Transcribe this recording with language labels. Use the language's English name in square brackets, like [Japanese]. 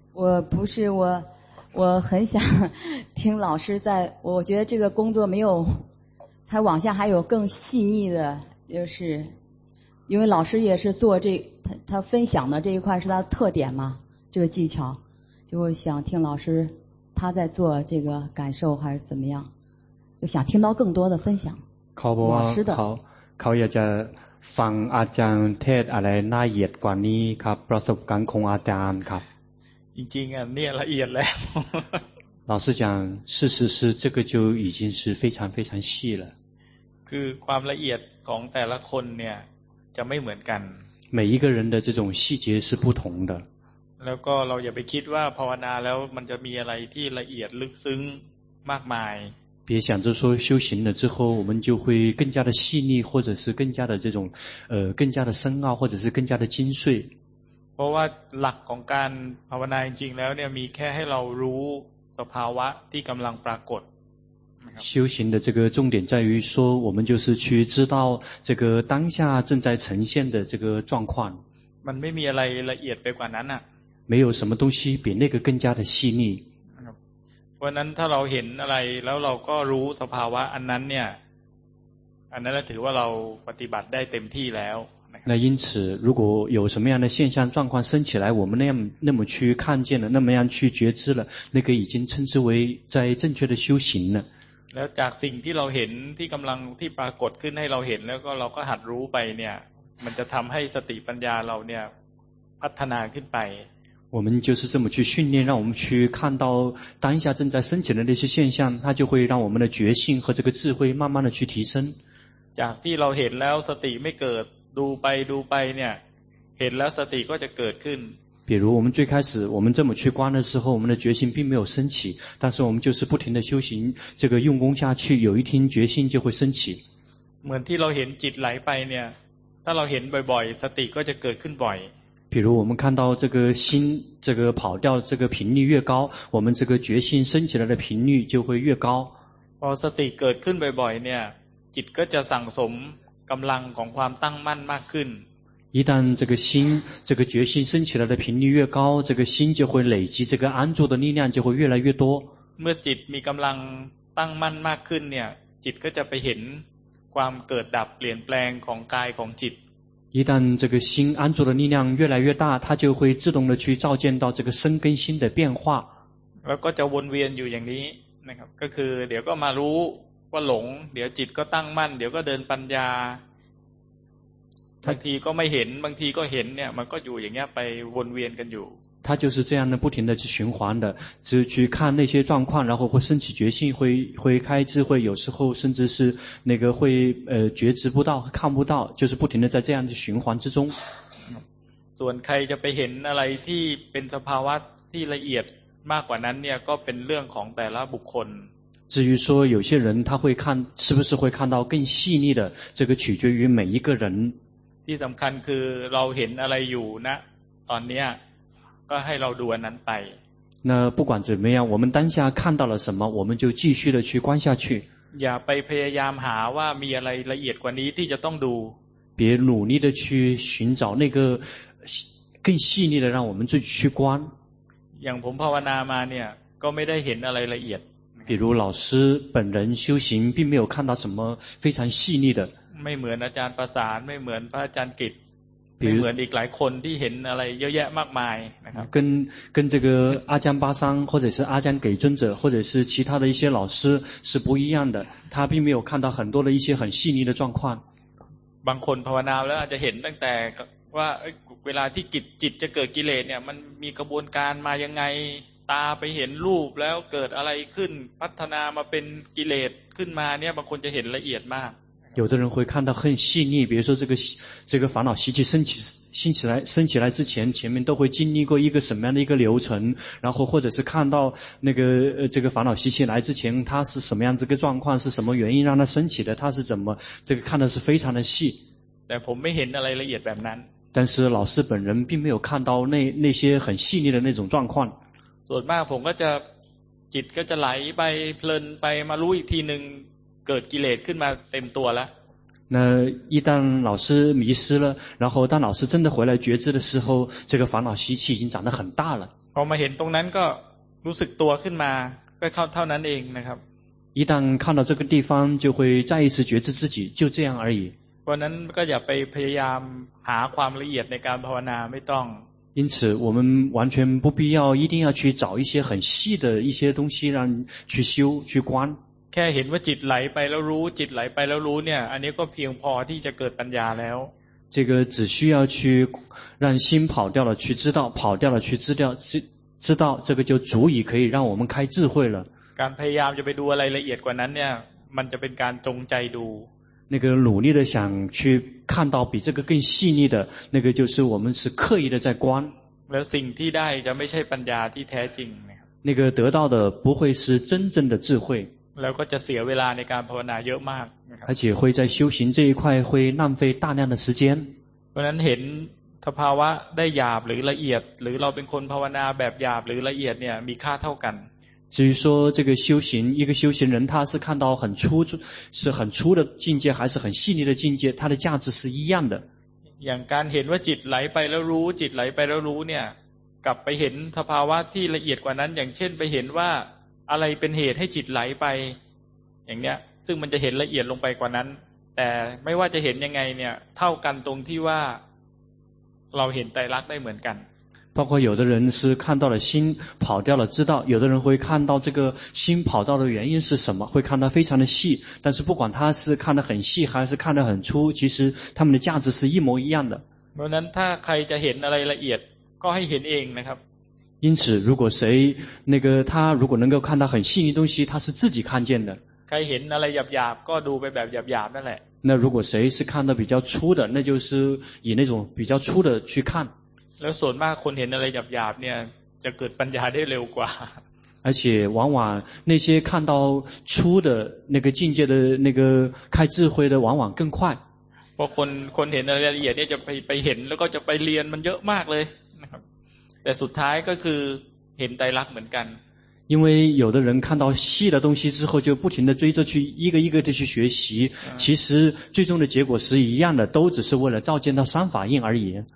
[Chinese] 我不是，我很想听老师在，我觉得这个工作没有，他往下还有更细腻的，就是因为老师也是做这他分享的这一块是他的特点嘛，这个技巧，就我想听老师他在做这个感受还是怎么样，就想听到更多的分享。考不老师的考考也在。 [Thai] ฟังอาจารย์เทศอะไรน่าละเอียดกว่านี้ครับประสบการณ์ของอาจารย์ครับ จริงๆอ่ะเนี่ยละเอียดแล้ว [Chinese] 老师讲是这个就已经是非常非常细了 [Thai] คือความละเอียดของแต่ละคนเนี่ยจะไม่เหมือนกัน [Chinese] 每一个人的这种细节是不同的 [Thai] แล้วก็เราอย่าไปคิดว่าภาวนาแล้วมันจะมีอะไรที่ละเอียดลึกซึ้งมากมาย [Chinese] 别想着说修行了之后我们就会更加的细腻或者是更加的这种更加的深奥或者是更加的精髓。 [Thai] เพราะว่าหลักของการภาวนาจริงๆแล้วเนี่ยมีแค่ให้เรารู้สภาวะที่กำลังปรากฏ [Chinese] 修行的这个重点在于说我们就是去知道这个当下正在呈现的这个状况。 [Thai] มันไม่มีอะไรละเอียดไปกว่านั้นอ่ะ [Chinese] 没有什么东西比那个更加的细腻。 [Thai] เพราะนั้นถ้าเราเห็นอะไรแล้วเราก็รู้สภาวะอันนั้นเนี่ยอันนั้นถือว่าเราปฏิบัติได้เต็มที่แล้ว [Chinese] 那因此如果有什么样的现象状况升起来我们那么去看见了那么样去觉知了那个已经称之为在正确的修行了 [Thai] แล้วจากสิ่งที่เราเห็นที่กำลังที่ปรากฏขึ้นให้เราเห็นแล้วก็เราก็หัดรู้ไปเนี่ยมันจะทำให้สติปัญญาเราเนี่ยพัฒนาขึ้นไป [Chinese] 我们就是这么去训练让我们去看到当下正在升起的那些现象它就会让我们的觉性和这个智慧慢慢的去提升 [Thai] จากที่เราเห็นแล้วสติไม่เกิดดูไปเนี่ยเห็นแล้วสติก็จะเกิดขึ้น [Chinese] 比如我们最开始我们这么去观的时候我们的觉性并没有升起但是我们就是不停的修行这个用功下去有一天觉性就会升起 [Thai] เหมือนที่เราเห็นจิตไหลไปเนี่ยถ้าเราเห็นบ่อยๆสติก็จะเกิดขึ้นบ่อย [Chinese] 比如我们看到这个心这个跑掉这个频率越高我们这个觉心升起来的频率就会越高 [Thai] พอสติเกิดขึ้นบ่อยๆเนี่ยจิตก็จะสั่งสมกำลังของความตั้งมั่นมากขึ้น [Chinese] 一旦这个心这个觉心升起来的频率越高这个心就会累积这个安住的力量就会越来越多 [Thai] เมื่อจิตมีกำลังตั้งมั่นมากขึ้นเนี่ยจิตก็จะไปเห็นค ความเกิดดับเปลี่ยนแปลงของกายของจิต [Chinese] 一旦这个心安住的力量越来越大它就会自动的去照见到这个身跟心的变化 [Thai] แล้วก็จะวนเวียนอยู่อย่างนี้นะครับก็คือเดี๋ยวก็มารู้ว่าหลงเดี๋ยวจิตก็ตั้งมั่นเดี๋ยวก็เดินปัญญาบางทีก็ไม่เห็นบางทีก็เห็นเนี่ยมันก็อยู่อย่างเงี้ยไปวนเวียนกันอยู่ [Chinese] 他就是这样的不停的去循环的只去看那些状况然后会升起觉性会开智慧有时候甚至是那个会觉知不到看不到就是不停的在这样的循环之中 [Thai] ส่วนใครจะไปเห็นอะไรที่เป็นสภาวะที่ละเอียดมากกว่านั้นเนี่ยก็เป็นเรื่องของแต่ละบุคคล [Chinese] 至于说有些人他会看是不是会看到更细腻的这个取决于每一个人 [Thai] ที่สำคัญคือเราเห็นอะไรอยู่นะตอนเนี้ยก็ให้เราดูอันนั้นไป [Chinese] 那不管怎么样我们当下看到了什么我们就继续的去观下去 [Thai] อย่าไปพยายามหาว่ามีอะไรละเอียดกว่านี้ที่จะต้องดู [Chinese] 别努力的去寻找那个更细腻的让我们自己去观 [Thai] อย่างผมภาวนามาเนี่ยก็ไม่ได้เห็นอะไรละเอียด [Chinese] 比如老师本人修行并没有看到什么非常细腻的 [Thai] ไม่เหมือนอาจารย์ประสานไม่เหมือนพระอาจารย์กิตไม่เหมือนอีกหลายคนที่เห็นอะไรเยอะแยะมากมายนะครับ [Chinese] 跟这个阿姜巴桑或者是阿姜给尊者或者是其他的一些老师是不一样的他并没有看到很多的一些很细腻的状况 [Thai] บางคนภาวนาแล้วอาจจะเห็นตั้งแต่ว่าเวลาที่จิตจะเกิดกิเลสเนี่ยมันมีกระบวนการมายังไงตาไปเห็นรูปแล้วเกิดอะไรขึ้นพัฒนามาเป็นกิเลสขึ้นมาเนี่ยบางคนจะเห็นละเอียดมาก [Chinese] 有的人会看到很细腻比如说这个烦恼习气升起来之前前面都会经历过一个什么样的一个流程然后或者是看到那个这个烦恼习气来之前它是什么样子的状况是什么原因让它升起的它是怎么这个看的是非常的细但我没见到那么细腻但是老师本人并没有看到那些很细腻的那种状况所以我就 [Thai] จิตก็จะไหลไปเพลินไปมารู้อีกทีนึงเกิดกิเลสขึ้นมาเต็มตัวแล้ว [Chinese] 那一旦老师迷失了然后当老师真的回来觉知的时候这个烦恼习气已经长得很大了 [Thai] พอมาเห็นตรงนั้นก็รู้สึกตัวขึ้นมาก็เท่านั้นเองนะครับ [Chinese] 一旦看到这个地方就会再一次觉知自己就这样而已 [Thai] เพราะนั้นก็อย่าไปพยายามหาความละเอียดในการภาวนาไม่ต้อง [Chinese] 因此我们完全不必要一定要去找一些很细的一些东西让去修去观 [Thai] แค่เห็นว่าจิตไหลไปแล้วรู้จิตไหลไปแล้วรู้เนี่ยอันนี้ก็เพียงพอที่จะเกิดปัญญาแล้ว [Chinese] 这个只需要去让心跑掉了去知道跑掉了去知道这个就足以可以让我们开智慧了 [Thai] การพยายามจะไปดูอะไรละเอียดกว่านั้นเนี่ยมันจะเป็นการจงใจดู [Chinese] 那个努力的想去看到比这个更细腻的那个就是我们是刻意的在观 [Thai] แล้วสิ่งที่ได้จะไม่ใช่ปัญญาที่แท้จริง [Chinese] 那个得到的不会是真正的智慧 [Thai] แล้วก็จะเสียเวลาในการภาวนาเยอะมาก นะครับ [Chinese] 而且会在修行这一块会浪费大量的时间 [Thai] เพราะนั้นเห็นสภาวะได้หยาบหรือละเอียดหรือเราเป็นคนภาวนาแบบหยาบหรือละเอียดเนี่ยมีค่าเท่ากัน [Chinese] 至于说这个修行一个修行人他是看到很粗是很粗的境界还是很细腻的境界他的价值是一样的 [Thai] อย่างการเห็นว่าจิตไหลไปแล้วรู้จิตไหลไปแล้วรู้เนี่ยกลับไปเห็นสภาวะที่ละเอียดกว่านั้นอย่างเช่นไปเห็นว่าอะไรเป็นเหตุให้จิตไหลไปอย่างเนี้ยซึ่งมันจะเห็นละเอียดลงไปกว่านั้นแต่ไม่ว่าจะเห็นยังไงเนี่ยเท่ากันตรงที่ว่าเราเห็นไตรลักษณ์ได้เหมือนกัน [Chinese] 包括有的人是看到了心跑掉了知道有的人会看到这个心跑掉的原因是什么会看到非常的细但是不管他是看得很细还是看得很粗其实他们的价值是一模一样的 [Thai] เพราะนั้นถ้าใครจะเห็นอะไรละเอียดก็ให้เห็นเองนะครับ [Chinese] 因此如果谁那个他如果能够看到很细腻东西他是自己看见的 [Thai] ใครเห็นอะไรหยาบๆก็ดูไปแบบหยาบๆนั่นแหละ [Chinese] 那如果谁是看到比较粗的那就是以那种比较粗的去看 [Thai] แล้วส่วนมากคนเห็นอะไรหยาบๆเนี่ยจะเกิดปัญญาได้เร็วกว่า [Chinese] 而且往往那些看到粗的那个境界的那个开智慧的往往更快 [Thai] พอคนเห็นอะไรละเอียดเนี่ยจะไปเห็นแล้วก็จะไปเรียนมันเยอะมากเลยแต่สุดท้ายก็คือเห็นไตรลักษณ์เหมือนกัน [Chinese] 因为有的人看到细的东西之后就不停地追着去一个一个地去学习其实最终的结果是一样的都只是为了照见到三法印而已